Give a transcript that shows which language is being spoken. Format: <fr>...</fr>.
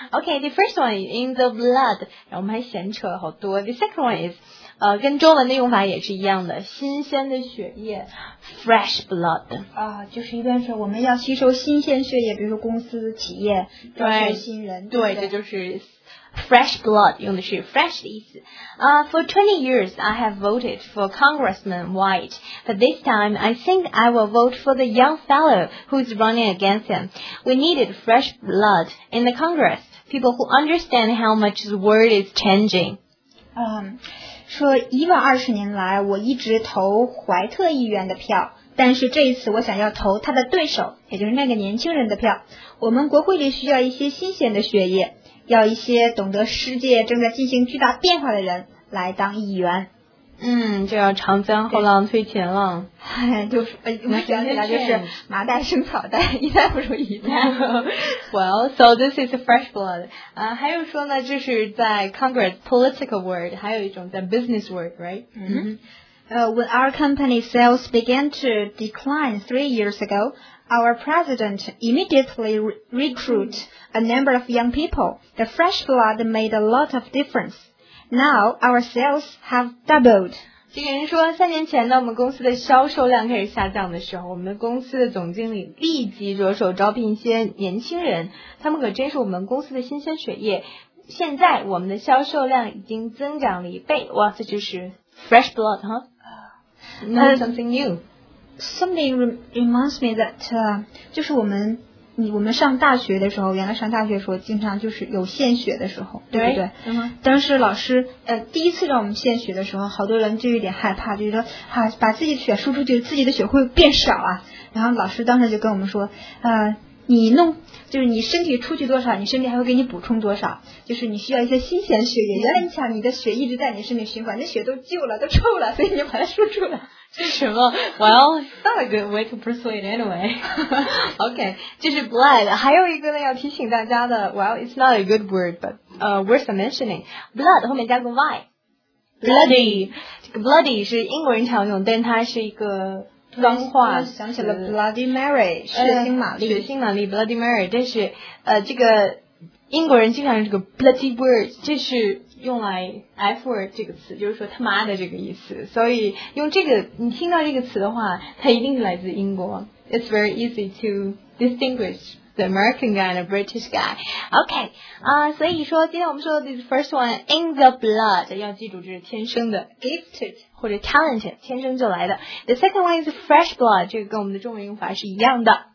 <en>OK, the first one is in the blood.</en> <zh>然后我们还闲扯了好多。</zh> <en>The second one is,</en> <zh>跟中文的用法也是一样的，新鲜的血液 ,fresh blood. 啊，就是一边说我们要吸收新鲜血液，比如说公司、企业，招收新人。对, 对, 对，这就是fresh blood, 用的是 fresh 的意思。</zh> <en>For 20 years, I have voted for Congressman White, but this time, I think I will vote for the young fellow who is running against him. We needed fresh blood in the Congress, people who understand how much the world is changing.</en> <zh>说以往20年来我一直投怀特议员的票，但是这一次我想要投他的对手，也就是那个年轻人的票。我们国会里需要一些新鲜的血液，要一些懂得世界正在进行巨大变化的人来当议员。嗯，就要长江后浪推前浪。就是我想起来就是麻袋生草袋，一代不如一代。</zh> <en>Well, so this is fresh blood.</en> <zh>还有说呢，就是在</zh> <en>Congress political world,</en> <zh>还有一种在</zh> <en>business world, right? When our company sales began to decline 3 years ago,Our president immediately recruit a number of young people. The fresh blood made a lot of difference. Now, our sales have doubled.</en> <zh>这个人说三年前呢，我们公司的销售量开始下降的时候，我们公司的总经理立即着手招聘一些年轻人，他们可真是我们公司的新鲜血液。现在我们的销售量已经增长了一倍。哇，这就是</zh> <en>fresh blood, huh? Now something new. Something reminds me that,</en> <zh>就是我们上大学的时候，原来上大学的时候经常就是有献血的时候，对不对？当时老师第一次让我们献血的时候，好多人就有点害怕，就是说啊，把自己的血输出去，自己的血会变少啊。然后老师当时就跟我们说，你弄就是你身体出去多少，你身体还会给你补充多少，就是你需要一些新鲜血液。原来你想你的血一直在你身体循环，那血都旧了，都臭了，所以你把它输出来。这是什么</zh> <en>？Well, not a good way to persuade anyway.</en> <zh>Okay, 就是 blood. 还有一个呢，要提醒大家的。</zh> <en>Well, it's not a good word, but worth mentioning.</en> <zh>Blood 后面加个 y.</zh> <en>Bloody.</en> <zh>这个 bloody 是英国人常用，但它是一个脏话。想起了 Bloody Mary, 血腥玛丽。血腥玛丽 ，Bloody Mary. 但是这个英国人经常用这个 bloody word, 这是用来 F word 这个词，就是说他妈的这个意思。所以用这个，你听到这个词的话，它一定是来自英国。</zh> <en>It's very easy to distinguish the American guy and the British guy.</en> <zh>Okay, 所以说今天我们说的</zh> <en>this first one,</en> <zh>in the blood, 要记住这是天生的</zh> <en>gifted</en> <zh>或者 talented, 天生就来的。</zh> <en>The second one is fresh blood,</en> <zh>这个跟我们的中文用法是一样的。</zh>